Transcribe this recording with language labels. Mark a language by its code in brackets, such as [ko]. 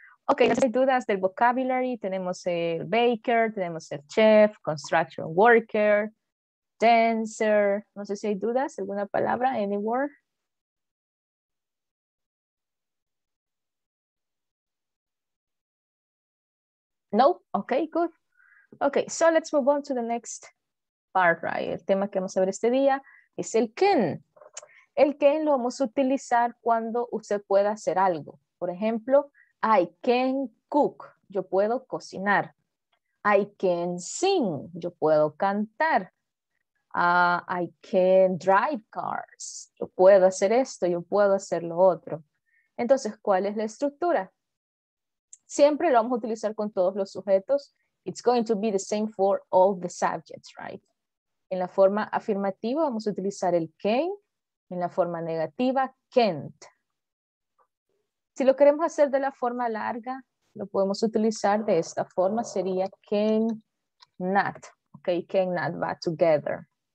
[es] Okay, las dudas del vocabulary. Tenemos el baker, tenemos el chef, construction worker, dancer. No sé si hay dudas, alguna palabra, [en] any word? No? Okay, good. Okay, so let's move on to the next part, right? [es] El tema que vamos a ver este día es el can. El can lo vamos a utilizar cuando usted pueda hacer algo. Por ejemplo, [en] I can cook. [es] Yo puedo cocinar. [en] I can sing. [es] Yo puedo cantar. [en] I can drive cars. [es] Yo puedo hacer esto, yo puedo hacer lo otro. Entonces, ¿cuál es la estructura? Siempre lo vamos a utilizar con todos los sujetos. [en] It's going to be the same for all the subjects, right? [es] En la forma afirmativa vamos a utilizar el can. En la forma negativa, can't. Si lo queremos hacer de la forma larga, lo podemos utilizar de esta forma. Sería can not. Okay, can not va together.